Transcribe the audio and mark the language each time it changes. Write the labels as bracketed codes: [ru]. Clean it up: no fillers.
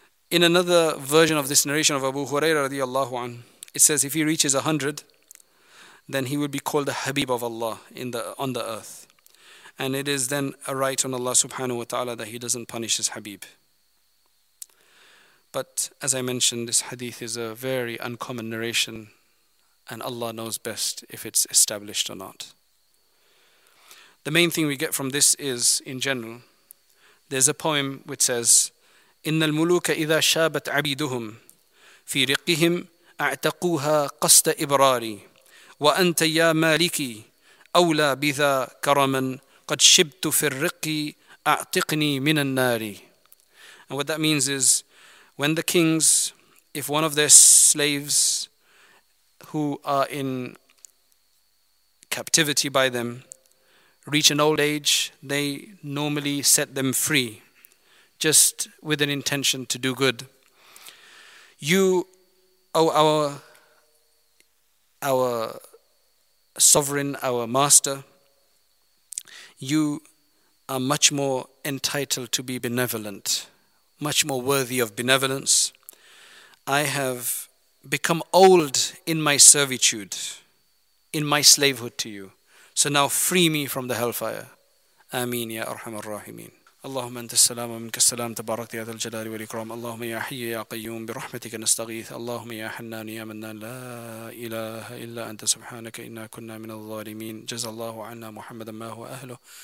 [en] In another version of this narration of Abu Hurairah radiallahu anhu, it says if he reaches 100, then he will be called the Habib of Allah on the earth. And it is then a right on Allah subhanahu wa ta'ala that he doesn't punish his Habib. But as I mentioned, this hadith is a very uncommon narration, and Allah knows best if it's established or not. The main thing we get from this is, in general, there's a poem which says, [ar] إِنَّ الْمُلُوكَ إِذَا شَابَتْ عَبِيدُهُمْ فِي رِقِّهِمْ أَعْتَقُوهَا قَصْدَ إِبْرَارِي وَأَنْتَ يَا مَالِكِي أَوْلَى بِذَا كَرَمًا قَدْ شِبْتُ فِي الرِّقِّ أَعْتِقْنِي مِنَ النَّارِ. [en] And what that means is, when the kings, if one of their slaves who are in captivity by them reach an old age, they normally set them free, just with an intention to do good. You, our sovereign, our master, you are much more entitled to be benevolent, much more worthy of benevolence. I have become old in my servitude, in my slavehood to you. So now free me from the hellfire. Ameen ya arhamar rahimeen. [ar] اللهم انت السلام ومنك السلام تبارك يا ذا الجلال والاكرام اللهم يا حي يا قيوم برحمتك نستغيث اللهم يا حنان يا منان لا اله الا انت سبحانك انا كنا من الظالمين جزى الله عنا محمدا ما هو اهله